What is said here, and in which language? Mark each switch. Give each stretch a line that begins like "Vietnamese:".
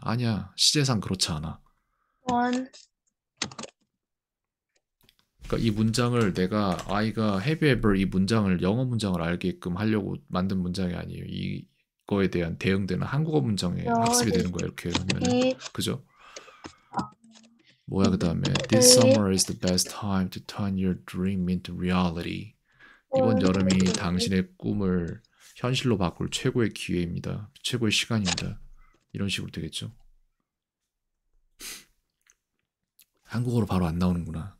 Korean: 아니야. 시제상 그렇지 않아.
English: One.
Korean: 이 문장을 내가 아이가
English: have you ever
Korean: 이 문장을 영어 문장을 알게끔 하려고 만든 문장이 아니에요. 이거에 대한 대응되는 한국어 문장에 학습이 되는 거야. 이렇게 하면은 그죠? 뭐야 그 다음에
English: This summer is the best time to turn your dream into reality.
Korean: 이번 여름이 당신의 꿈을 현실로 바꿀 최고의 기회입니다. 최고의 시간입니다. 이런 식으로 되겠죠. 한국어로 바로 안 나오는구나.